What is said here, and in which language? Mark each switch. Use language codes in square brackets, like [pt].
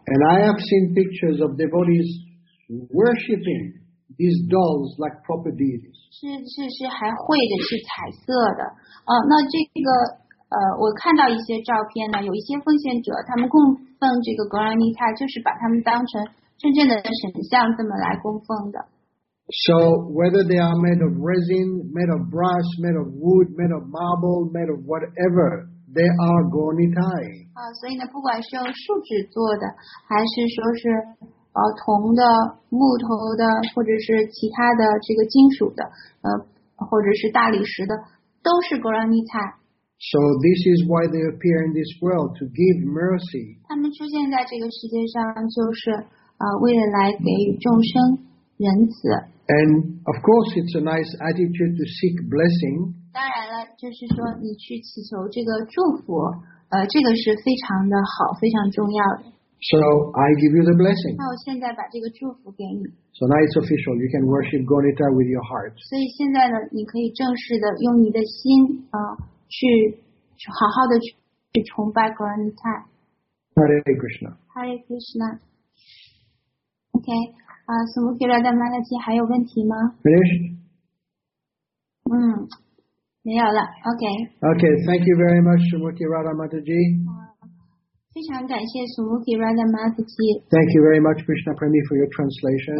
[en] And I have seen pictures of devotees worshipping. These dolls like proper deities. [zh] 是还会的，是彩色的。那这个我看到一些照片呢，有一些奉献者他们供奉这个 Gauranitai， 就是把他们当成真正的神像这么来供奉的。 [en] So whether they are made of resin, made of brass, made of wood, made of marble, made of whatever, they are Gauranitai. [zh] 所以呢，不管是用树脂做的，还是说是。铜的、木头的，或者是其他的这个金属的，或者是大理石的，都是 Gauranitai。 [en] So this is why they appear in this world, to give mercy. [zh] 他们出现在这个世界上就是为了来给予众生仁慈。 [en] And of course it's a nice attitude to seek blessing. [zh] 当然了，就是说你去祈求这个祝福，这个是非常的好，非常重要的。 [en] So I give you the blessing. [zh] 那我现在把这个祝福给你。 [en] So now it's official. You can worship Gonita with your heart. [zh] 所以现在呢，你可以正式的用你的心去好好的去崇拜 Gonita。 [en] Hare Krishna. Hare Krishna. Okay. [zh] 苏穆提拉达玛拉吉还有问题吗 [en] ？Finish. [zh] 没有了。 [en] Okay. Okay. Thank you very much, 苏穆提拉达玛拉吉。 [zh] 非常感谢苏穆提拉达玛拉吉。 [en] Thank you very much, Krishna Premi, for your translation.